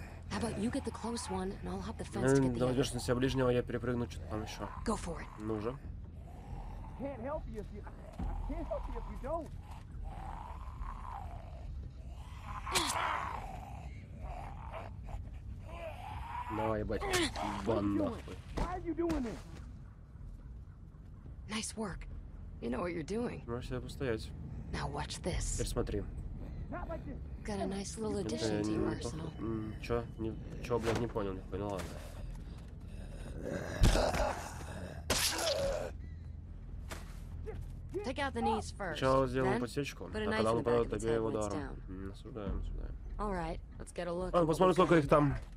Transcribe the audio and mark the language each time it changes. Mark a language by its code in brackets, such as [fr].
[en] How about you get the close one, and I'll hop the fence to get the. [ru] Давай, на себя ближнего, я перепрыгну что-то там еще. [en] Go for it. [ru] Ну же. [en] Can't help you if you. I can't help you if you don't. [ru] Давай, ебать. Вон нахуй. [en] Why are you doing this? Nice work. You know what you're doing. [ru] Можешь себя постоять. [en] Now watch this. [ru] Теперь смотри. [en] Got a nice little addition to your arsenal. [ru] Чё? Не, чё, блядь, не понял, не понял, ладно. [en] Take out the knees first. [ru] Сначала сделаем подсечку, а когда он падает, тебе его ударом. Осуждаем, осуждаем. [en] All right, let's get a look. [ru] Ладно, посмотрим, сколько их там.